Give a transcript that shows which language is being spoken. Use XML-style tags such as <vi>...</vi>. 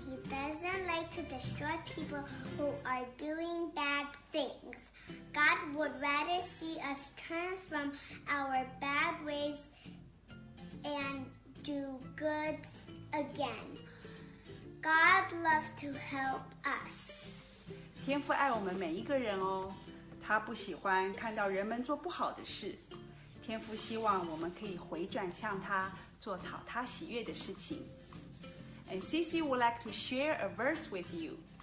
<en>He doesn't like to destroy people who are doing bad things. God would rather see us turn from our bad ways and do good again. God loves to help us.</en> <zh>天父爱我们每一个人哦，他不喜欢看到人们做不好的事。天父希望我们可以回转向他，做讨他喜悦的事情。</zh> <en>And Cici would like to share a verse with you.</en>